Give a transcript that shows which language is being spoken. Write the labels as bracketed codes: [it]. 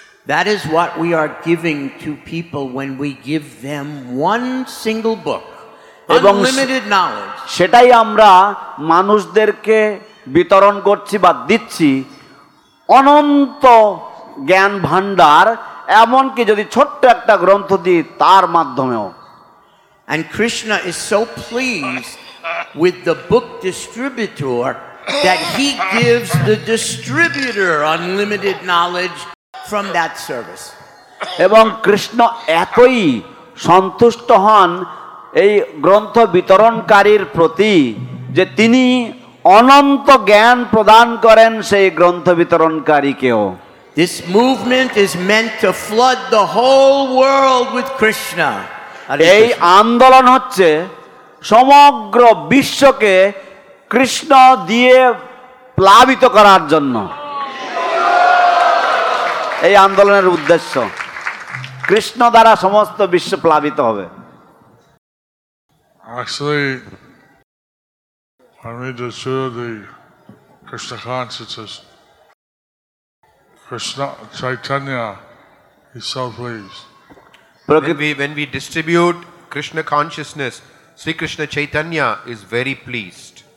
[en] That is what we are giving to people when we give them one single book unlimited knowledge. [bn] সেটাই আমরা মানুষদেরকে বিতরণ করছি বা দিচ্ছি, অনন্ত জ্ঞান ভাণ্ডার, এমনকি যদি ছোট্ট একটা গ্রন্থ দিই তার মাধ্যমেও। [en] And Krishna is so pleased with the book distributor that he gives the distributor unlimited knowledge from that service. [bn] এবং কৃষ্ণ এতই সন্তুষ্ট হন এই গ্রন্থ বিতরণকারীর প্রতি যে তিনি অনন্ত জ্ঞান প্রদান করেন সেই গ্রন্থ বিতরণকারীকেও। [en] This movement is meant to flood the whole world with Krishna. [bn] এই আন্দোলন হচ্ছে সমগ্র বিশ্বকে কৃষ্ণ দিয়ে প্লাবিত করার জন্য। এই আন্দোলনের উদ্দেশ্য কৃষ্ণ দ্বারা সমস্ত বিশ্ব প্লাবিত হবে [en] Actually, when we destroy the Krishna consciousness, Krishna Chaitanya is so pleased. When we distribute Krishna consciousness, Sri Krishna Chaitanya is very pleased.